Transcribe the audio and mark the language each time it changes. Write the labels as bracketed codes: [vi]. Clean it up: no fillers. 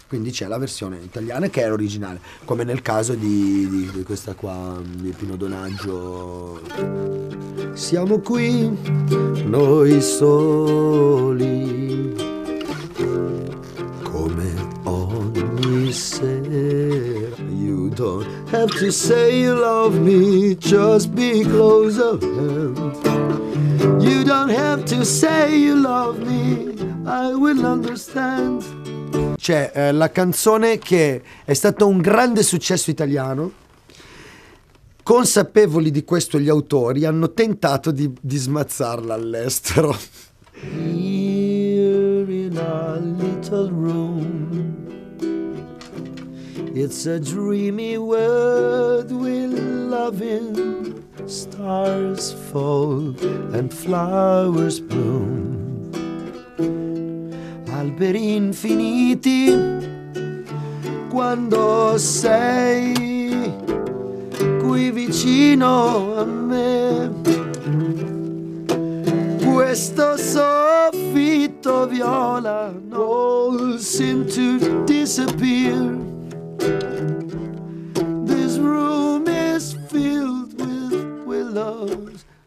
[it] Quindi c'è la versione italiana che è originale, come nel caso di questa qua, di Pino Donaggio. Siamo qui, noi soli, come ogni sera. [en] Don't have to say you love me, just be close up. You don't have to say you love me, I will understand. [it] C'è la canzone che è stata un grande successo italiano. Consapevoli di questo, gli autori hanno tentato di smazzarla all'estero. [en] Here in a little room. It's a dreamy world we love in. Stars fall and flowers bloom. [it] Alberi infiniti quando sei qui vicino a me. Questo soffitto viola [en] all seem to disappear. This room is filled with willows.